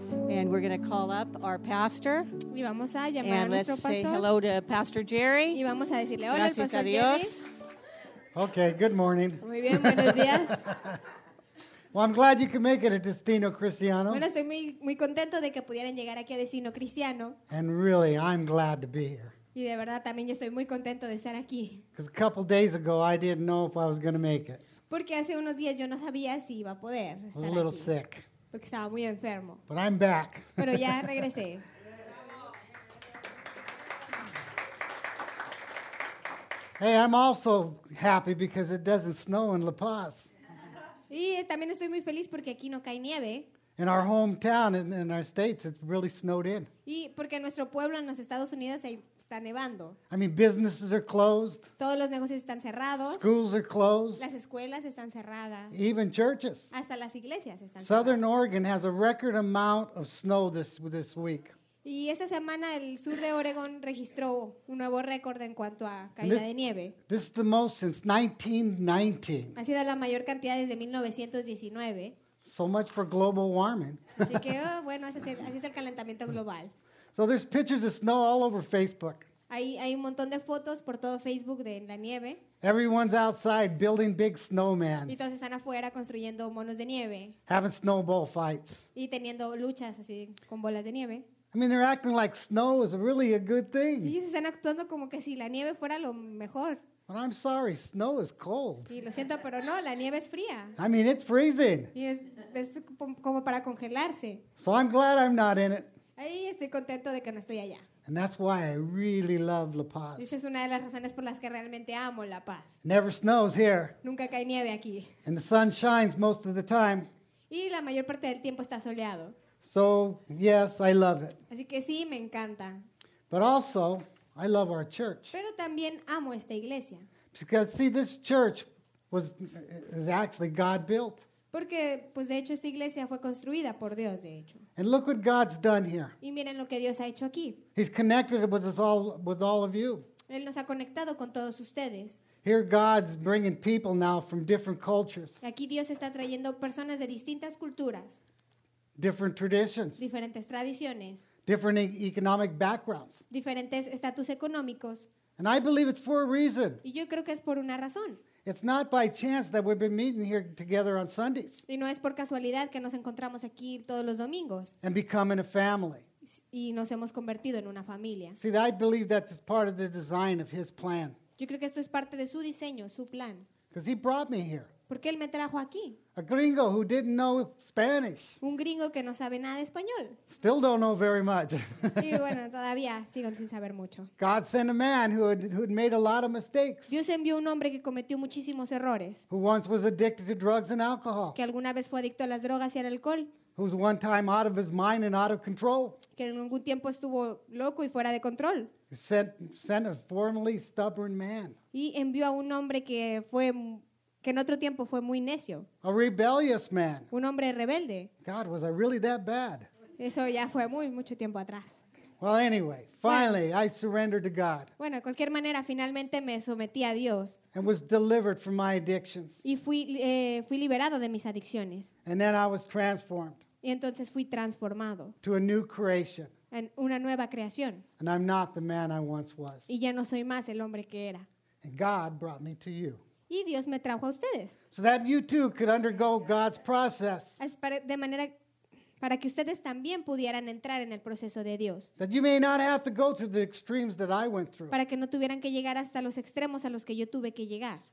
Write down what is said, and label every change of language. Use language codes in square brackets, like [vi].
[en] And we're going to call up our pastor. [es] Y vamos a llamar [en] and [es] a nuestro pastor. [en] And let's say hello to Pastor Jerry. [es] Y vamos a decirle hola al Pastor Jerry. [en] Okay, good morning. [es] Muy bien, buenos días. [en] Well, I'm glad you could make it at Destino Cristiano. [es] Bueno, estoy muy contento de que pudieran llegar aquí a Destino Cristiano. [en] And really, I'm glad to be here. [es] Y de verdad, también estoy muy contento de estar aquí. [en] Because a couple days ago, I didn't know if I was going to make it. [es] Porque hace unos días yo no sabía si iba a poder estar aquí. [en] A little sick. [es] Porque estaba muy enfermo. [en] But I'm back. [es] Pero ya regresé. [en] Hey, I'm also happy because it doesn't snow in La Paz. [es] Y también estoy muy feliz porque aquí no cae nieve. [en] In our hometown, in our states, it's really snowed in. [es] Y porque en nuestro pueblo, en los Estados Unidos, hay está nevando. [en] I mean, businesses are closed. [es] Todos los negocios están cerrados. [en] Schools are closed. [es] Las escuelas están cerradas. [en] Even churches. [es] Hasta las iglesias están cerradas. [en] Southern Oregon has a record amount of snow this week. [es] Y esa semana el sur de Oregon registró un nuevo récord en cuanto a caída de nieve. [en] This is the most since 1919. [es] Ha sido la mayor cantidad desde 1919. [en] So much for global warming. [es] Así que, bueno, así es el calentamiento global. [en] So there's pictures of snow all over Facebook. [es] Hay un montón de fotos por todo Facebook de la nieve. [en] Everyone's outside building big snowmen. [es] Y todos están afuera construyendo monos de nieve. [en] Having snowball fights. [es] Y teniendo luchas así con bolas de nieve. [en] I mean, they're acting like snow is really a good thing. [es] Y se están actuando como que si la nieve fuera lo mejor. [en] But I'm sorry, snow is cold. [es] Y lo siento, pero no, la nieve es fría. [en] I mean, it's freezing. [es] Y es como para congelarse. [en] So I'm glad I'm not in it. [es] Ahí estoy contento de que no estoy allá. [en] And that's why I really love La Paz. [es] Esa es una de las razones por las que realmente amo La Paz. [en] Never snows here. [es] Nunca cae nieve aquí. [en] And the sun shines most of the time. [es] Y la mayor parte del tiempo está soleado. [en] So, yes, I love it. [es] Así que sí, me encanta. [en] But also, I love our church. [es] Pero también amo esta iglesia. [en] Because, see, this church is actually God built. [es] Porque, pues de hecho, esta iglesia fue construida por Dios, de hecho. [en] And look what God's done here. [es] Y miren lo que Dios ha hecho aquí. [en] He's connected with us all, with all of you. [es] Él nos ha conectado con todos ustedes. [en] Here God's bringing people now from different cultures. [es] Aquí Dios está trayendo personas de distintas culturas. [en] Different traditions. [es] Diferentes tradiciones. [en] Different economic backgrounds. [es] Diferentes estatus económicos. [en] And I believe it's for a reason. [es] Y yo creo que es por una razón. [en] It's not by chance that we've been meeting here together on Sundays. [es] Y no es por casualidad que nos encontramos aquí todos los domingos. [en] And becoming a family. [es] Y nos hemos convertido en una familia. [en] See, I believe that's part of the design of His plan. [es] Yo creo que esto es parte de su diseño, su plan. [en] Because He brought me here. [es] Porque él me trajo aquí. [en] A gringo who didn't know Spanish. [es] Un gringo que no sabe nada de español. [en] Still don't know very much. [es] Y bueno, todavía sigo sin saber mucho. [en] God sent a man who had made a lot of mistakes. [es] Dios envió un hombre que cometió muchísimos errores. [en] Who once was addicted to drugs and alcohol. [es] Que alguna vez fue adicto a las drogas y al alcohol. [en] Who's one time out of his mind and out of control. [es] Que en algún tiempo estuvo loco y fuera de control. [en] Sent a formerly stubborn man. [es] Y envió a un hombre que fue que en otro tiempo fue muy necio. [en] A rebellious man. [es] Un hombre rebelde. [en] God, was I really that bad? [es] Eso ya fue muy mucho tiempo atrás. [en] Well, anyway, finally, [es] bueno, [en] I surrendered to God. [es] Bueno, de cualquier manera, finalmente me sometí a Dios. [en] And was delivered from my addictions. [es] Y fui liberado de mis adicciones. [en] And then I was transformed. [es] Y entonces fui transformado. [en] To a new creation. [es] En una nueva creación. [en] And I'm not the man I once was. [es] Y ya no soy más el hombre que era. [en] And God brought me to you. [es] Y Dios me trajo a ustedes. [en] So that you too could undergo God's process. [es] De manera para que ustedes también pudieran entrar en el proceso de Dios. [en] That you may not have to go through the extremes that I went through. [es] Para que no tuvieran que llegar hasta los extremos a los que yo tuve que llegar.